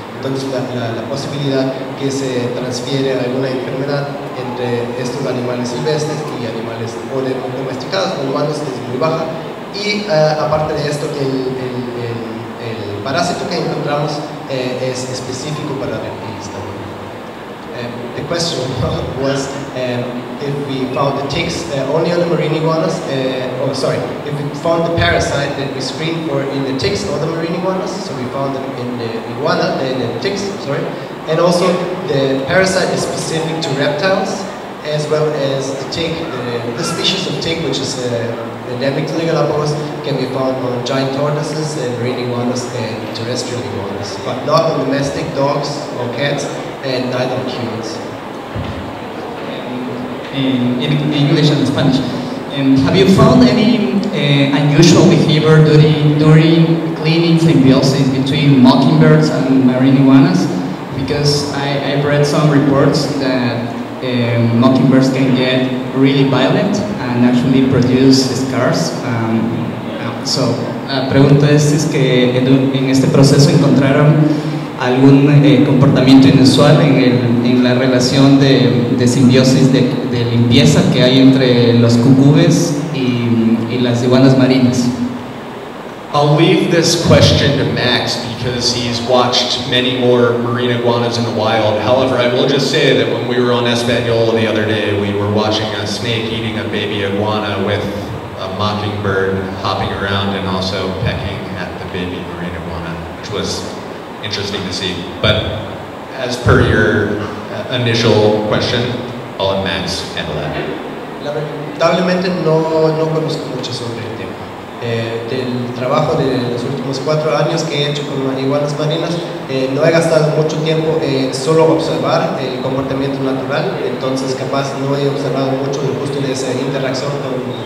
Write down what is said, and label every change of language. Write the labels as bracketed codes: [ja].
[es] Entonces la posibilidad que se transfiere alguna enfermedad entre estos animales silvestres y animales domesticados o humanos es muy baja. Y aparte de esto, el parásito que encontramos es específico para reptiles también. [en] The question was if we found the ticks only on the marine iguanas, if we found the parasite that we screened for in the ticks or the marine iguanas, so we found it in the iguana, in the ticks, sorry, and also the parasite is specific to reptiles, as well as the tick, the species of tick, which is endemic to the Galapagos, can be found on giant tortoises and marine iguanas and terrestrial iguanas, but not on domestic dogs or cats, and neither on humans. In English and Spanish, have you found any unusual behavior during cleaning symbiosis between mockingbirds and marine iguanas? Because I've read some reports that mockingbirds can get really violent and actually produce scars. [es] So, la pregunta es que en este proceso encontraron algún comportamiento inusual en el la relación de simbiosis de limpieza que hay entre los cucubes y las iguanas marinas. [en] I'll leave this question to Max because he's watched many more marine iguanas in the wild. However, I will just say that when we were on Espanola the other day, we were watching a snake eating a baby iguana with a mockingbird hopping around and also pecking at the baby marine iguana, which was interesting to see. But as per your initial question, I'll let Max handle that. [es] Lamentablemente no conozco mucho sobre el tema. Del trabajo de los últimos 4 años que he hecho con iguanas marinas, no he gastado mucho tiempo solo observar el comportamiento natural, entonces capaz no he observado mucho el gusto de esa interacción con